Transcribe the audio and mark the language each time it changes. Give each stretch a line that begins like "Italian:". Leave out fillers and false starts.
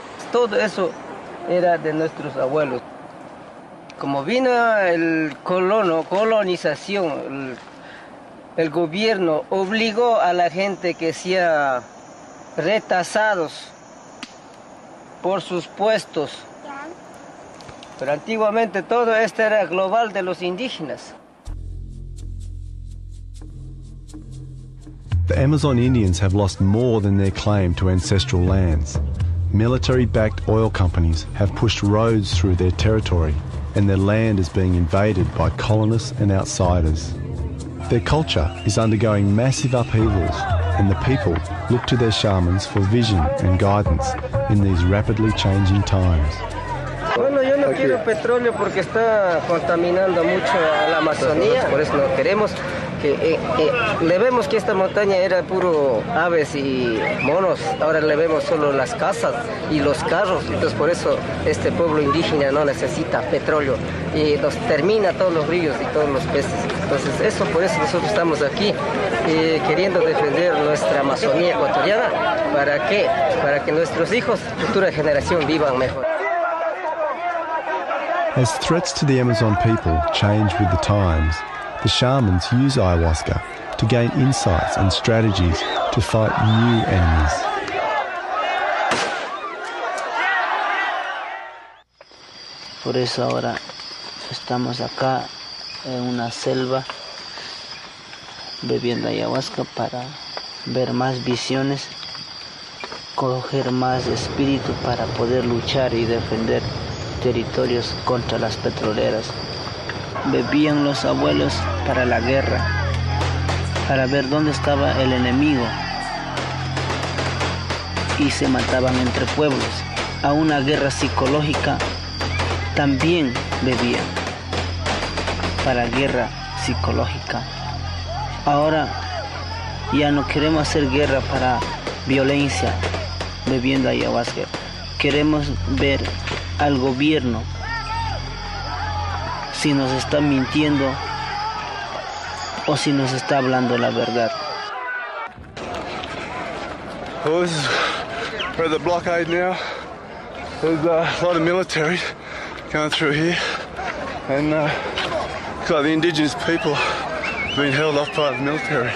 Spanish: Todo eso era de nuestros abuelos. Como vino el colonización, el gobierno obligó a la gente que sea retasados por sus puestos. Pero antiguamente todo esto era global de los indígenas.
English: The Amazon Indians have lost more than their claim to ancestral lands. Military-backed oil companies have pushed roads through their territory, and their land is being invaded by colonists and outsiders. Their culture is undergoing massive upheavals, and the people look to their shamans for vision and guidance in these rapidly changing times.
Spanish: No quiero petróleo porque está contaminando mucho a la Amazonía. Por eso no queremos que le vemos que esta montaña era puro aves y monos. Ahora le vemos solo las casas y los carros. Entonces por eso este pueblo indígena no necesita petróleo y nos termina todos los ríos y todos los peces. Entonces eso por eso nosotros estamos aquí queriendo defender nuestra Amazonía ecuatoriana. ¿Para qué? Para que nuestros hijos, futura generación, vivan mejor.
English: As threats to the Amazon people change with the times, the shamans use ayahuasca to gain insights and strategies to fight new enemies.
Spanish: Por eso ahora estamos acá en una selva bebiendo ayahuasca para ver más visiones, coger más espíritu para poder luchar y defender territorios contra las petroleras. Bebían los abuelos para la guerra, para ver dónde estaba el enemigo, y se mataban entre pueblos. A una guerra psicológica también bebían, para guerra psicológica. Ahora ya no queremos hacer guerra para violencia bebiendo ayahuasca. Queremos ver al gobierno si nos está mintiendo o si nos está hablando la verdad.
English: Well, this is, we're at the blockade now. There's a lot of military going through here, and looks like the indigenous people have been held off by the military.